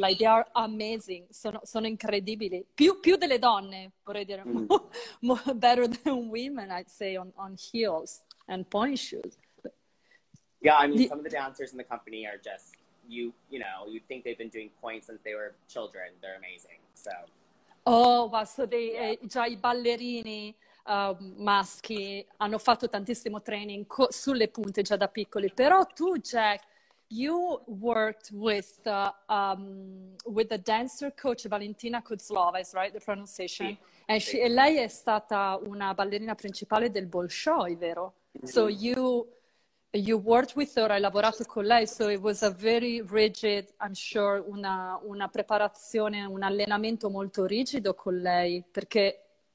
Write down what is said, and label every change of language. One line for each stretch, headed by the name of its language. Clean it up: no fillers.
English: Like, they are amazing.
Italian: Sono incredibili. Più delle donne, vorrei dire. Mm-hmm.
English: Better than women, I'd say, on heels and point shoes. Yeah, I mean, some of the dancers in the company are just, you know, you'd think they've been doing points since they were children. They're amazing, so. Oh, wow, so they, yeah.
Italian: Già I ballerini maschi hanno fatto tantissimo training sulle punte già da piccoli. Però tu,
English: Jack, you worked with the dancer coach Valentina Kuzlova, is right, the pronunciation? Yeah. And she,
Italian: lei è stata una ballerina principale del Bolshoi, vero? Mm-hmm.
English: So you worked with her,
Italian: hai lavorato con lei,
English: so it was a very rigid, I'm sure,
Italian: una preparazione, un allenamento molto rigido con lei, perché...